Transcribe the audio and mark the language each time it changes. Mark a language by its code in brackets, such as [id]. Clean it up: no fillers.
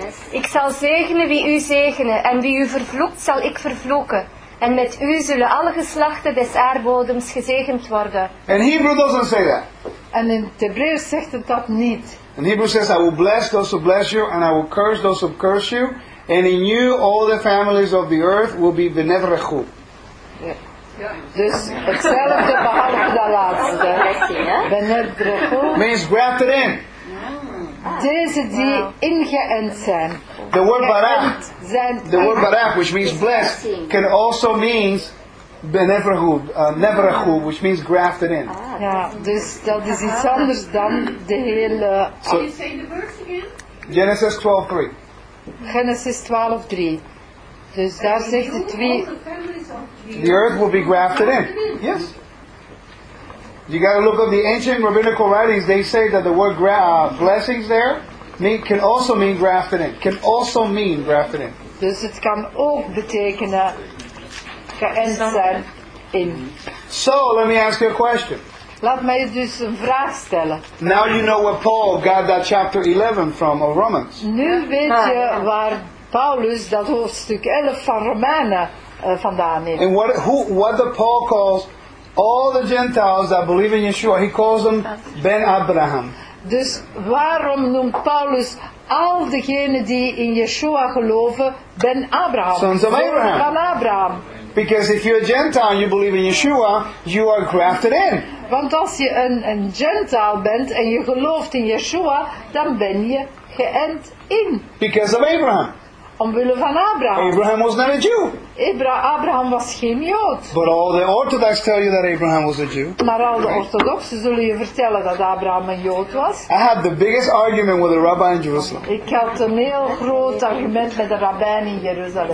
[nl] Ik zal zegenen wie u zegenen en wie u vervloekt zal ik vervloeken. En met u zullen alle geslachten des aardbodems gezegend worden. [en] And Hebrew doesn't say that. [nl] En in het Hebreeuws zegt het dat niet. [en] And Hebrew says, I will bless those who bless you, and I will curse those who curse you, and in you all the families of the earth will be benevrechu. [nl] Dus hetzelfde behalve de laatste. [he] Benevrechu. [en] Means grafted in. [nl] Deze die ingeënt zijn. [en] The word barach, which means blessed, can also mean neverachu, which means grafted in. [nl] Ja, dus dat is iets anders dan de hele. [en] Can you say the verse again? Genesis 12:3. [nl] Genesis 12:3. Dus daar zegt het wie. [en] The earth will be grafted in. Yes. You got to look up the ancient rabbinical writings. They say that the word blessings there can also mean grafted in. Can also mean grafted in. [nl] Dus het kan ook betekenen geënt zijn in. [en] So let me ask you a question. [nl] Laat mij dus een vraag stellen. [en] Now you know where Paul got that chapter 11 from of Romans. [nl] Nu weet je waar Paulus dat hoofdstuk 11 van Romeinen vandaan heeft. [en] And what the Paul calls all the Gentiles that believe in Yeshua, he calls them Ben Abraham. [nl] Dus waarom noemt Paulus al degenen die in Yeshua geloven Ben Abraham? [en] Sons of Abraham. [nl] Van Abraham. [en] Because if you're a Gentile and you believe in Yeshua, you are grafted in. [nl] Want als je een Gentile bent en je gelooft in Yeshua, dan ben je geënt in. [en] Because of Abraham. [nl] Omwille van Abraham. [en] Abraham was not a Jew. [nl] Abraham was geen Jood. [en] But all the Orthodox tell you that Abraham was a Jew. [nl] Maar al de Orthodoxen zullen je vertellen dat Abraham een Jood was. [en] I had the biggest argument with a rabbi in Jerusalem. [nl] Ik had een heel groot argument met de rabbijn in Jeruzalem.